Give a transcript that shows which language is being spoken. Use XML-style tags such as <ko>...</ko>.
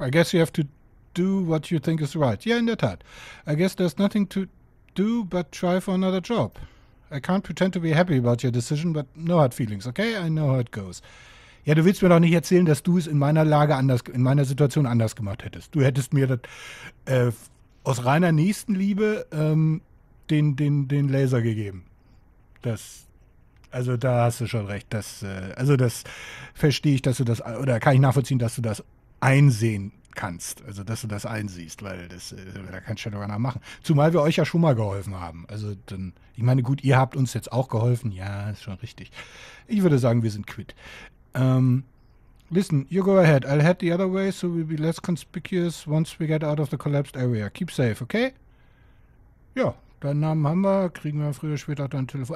<en>I guess you have to do what you think is right. Yeah,</en> <de>in der Tat.</de> <en>I guess there's nothing to do but try for another job. I can't pretend to be happy about your decision, but no hard feelings, okay? I know how it goes.</en> <de>Ja, du willst mir doch nicht erzählen, dass du es in meiner Lage anders, in meiner Situation anders gemacht hättest. Du hättest mir das aus reiner Nächstenliebe den Laser gegeben. Das, also da hast du schon recht. Das, also das verstehe ich, dass du das, oder kann ich nachvollziehen, dass du das einsehen kannst. Also dass du das einsiehst, weil das, da kannst du ja noch machen. Zumal wir euch ja schon mal geholfen haben. Also dann, ich meine, gut, ihr habt uns jetzt auch geholfen. Ja, ist schon richtig. Ich würde sagen, wir sind quitt.</de> <en>Listen, you go ahead. I'll head the other way, so we'll be less conspicuous once we get out of the collapsed area. Keep safe, okay?</en> <de>Ja, deinen Namen haben wir, kriegen wir früher, später dein Telefon.</de>